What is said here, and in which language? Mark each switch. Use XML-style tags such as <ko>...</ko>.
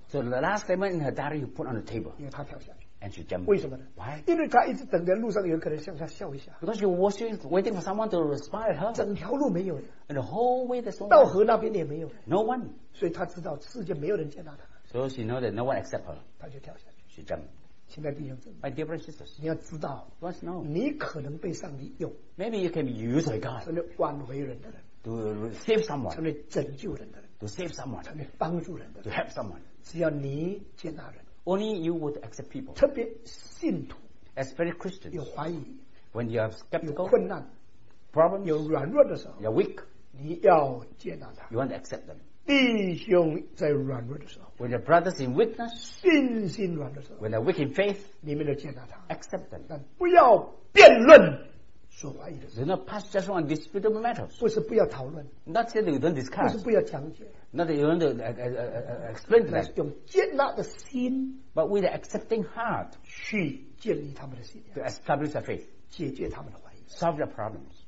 <en>so the last statement in her diary you put on the table.</en> <zh>因为她跳下去,</zh> <en>and she jumped.</en> <zh>为什么呢?</zh> <en>Why?</en> <zh>因为她一直等在路上有可能向她笑一下,</zh> <en>because she was waiting for someone to smile at her.</en> <zh>整条路没有,</zh> <en>and the whole way there's no one.</en> <zh>到河那边也没有,</zh> <en>no one.</en> <zh>所以她知道世界没有人接纳她,</zh> <en>so she knows that no one accepts her.</en> <zh>她就跳下去,</zh> <en>she jumped. My dear brothers and sisters,</en> <zh>你要知道,</zh> <en>you must know,</en> <zh>你可能被上帝用,</zh> <en>maybe you can be used by God,</en> <zh>成为挽回人的人,</zh> <en>to save someone,</en> <zh>成为拯救人的人,</zh> <en>to save someone,</en> <zh>成为帮助人的人,</zh> <en>to help someone.</en> <zh>只要你接纳人,</zh> <en>only you would accept people,</en> <zh>特别信徒,</zh> <en>especially Christians,</en> <zh>有怀疑,</zh> <en>when you are skeptical,</en> <zh>有困难,</zh> <en>problems,</en> <zh>有软弱的时候,</zh> <en>you are weak,</en> <zh>你要接纳他,</zh> <en>you want to accept them.</en> <zh>弟兄在软弱的时候,</zh> <en>when your brother's in weakness,</en> <zh>信心软的时候,</zh> <en>when they're weak in faith,</en> <zh>你们要接纳他,</zh> <en>accept them.</en> <zh>但不要辩论, 说怀疑的时候,</zh> <en>do not pass judgment on disputable matters.</en> <zh>不是不要讨论,</zh> <en>not say that you don't discuss,</en> <zh>不是不要讲解,</zh> <en>not that you don't explain to them,</en> <zh>用接纳的心,</zh> <en>but with an accepting heart,</en> <zh>去建立他们的信,</zh> <en>to establish their faith,</en> <zh>解决他们的怀疑,</zh> <en>solve their problems.</en>